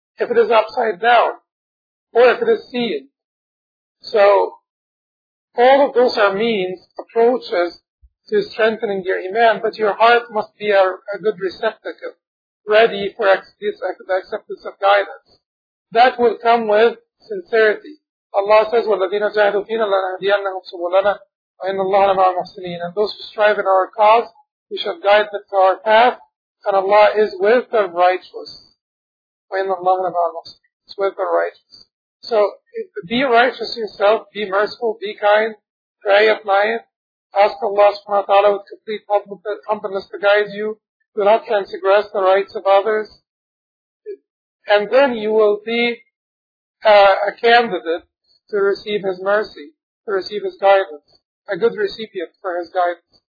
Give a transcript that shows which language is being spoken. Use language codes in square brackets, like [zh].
[en] if it is upside down, or if it is seen. So, all of those are means, approaches to strengthening your iman, but your heart must be a good receptacle, ready for the acceptance of guidance. That will come with sincerity. Allah says, [ar] وَالَّذِينَ جَاهَدُوا فِينَا لَنَهْدِيَنَّهُمْ سُبُلَنَا وَإِنَّ اللَّهَ لَمَعَ الْمُحْسِنِينَ. [en] And those who strive in our cause, we shall guide them to our path, and Allah is with the righteous. [ar] وَإِنَّ اللَّهَ لَمَعَ الْمُحْسِنِينَ. [en] It's with the righteous. So, be righteous yourself, be merciful, be kind, pray at night, ask Allah subhanahu wa ta'ala with complete humbleness to guide you, do not transgress the rights of others, and then you will be a candidate to receive His mercy, to receive His guidance, a good recipient for His guidance.